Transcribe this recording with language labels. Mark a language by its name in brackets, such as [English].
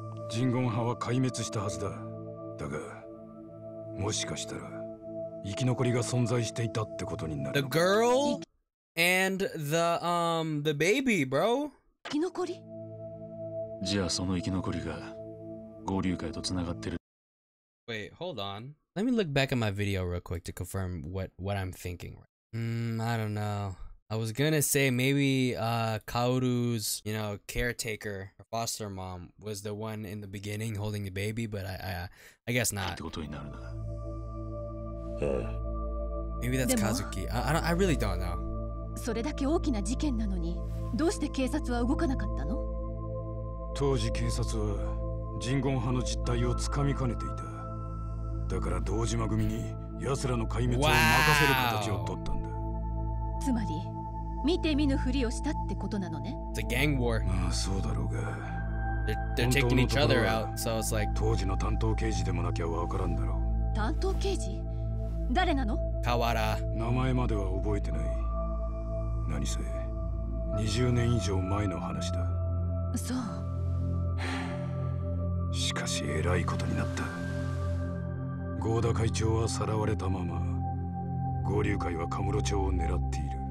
[Japanese] 神言派は壊滅したはずだ。だがもしかしたら生き残りが存在していたってことになる。 [English] The girl and the baby, bro. [Japanese] 生き残り？じゃあその生き残りが合流会とつながってる。 [English] Wait, hold on. Let me look back at my video real quick to confirm what I'm thinking. I don't know. I was gonna say maybe Kaoru's, you know, caretaker, foster mom, was the one in the beginning holding the baby, but I guess not. [Japanese] ってことになるな。 [English] Maybe that's Kazuki. I really don't know. [Japanese] それだけ大きな事件なのに、どうして警察は動かなかったの？当時警察は神言派の実態をつかみかねていた。だから堂島組に奴らの壊滅を任せる形を取ったんだ。つまり見て見ぬふりをしたってことなのね。 [English] The gang war. [Japanese] まあそうだろうが。 [English] They're taking each other out, so it's like [Japanese] 当時の担当刑事でもなきゃわからんだろう。担当刑事？誰なの？河原。名前までは覚えてない。何せ20年以上前の話だ。そう。しかし偉いことになった。合田会長はさらわれたまま、合流会はカムロ町を狙っている。